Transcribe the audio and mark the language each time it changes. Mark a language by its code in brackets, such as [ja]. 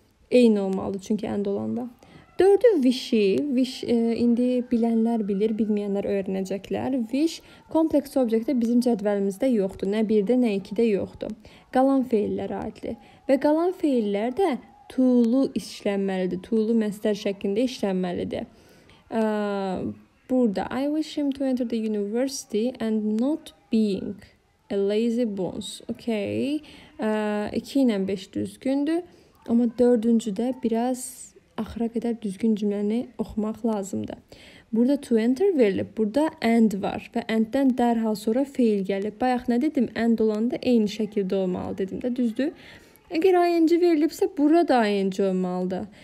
[az] Eyni olmalı çünki ən dolanda. Dördü wish, indi bilənlər bilir, bilməyənlər öyrənəcəklər. Wish kompleks objektdə bizim cədvəlimizdə yoxdur. Nə 1-də, nə 2-də yoxdur. Qalan feillərə aiddir. Və qalan feillər də tulu işlənməlidir. Tulu məsdər şəklində işlənməlidir. Burada [en] I wish him to enter the university and not being a lazy bones. [az] Okay. 2 ilə 5 düzgündür. Amma 4-cü də biraz axıra qədər düzgün cümləni oxumaq lazımdır. Burada to enter verilib, burada and var və and-dən dərhal sonra fail gəlib. Bayaq nə dedim? And olanda eyni şəkildə olmalı dedim də, düzdür? Əgər ing verilibsə, burada ing olmalıdır.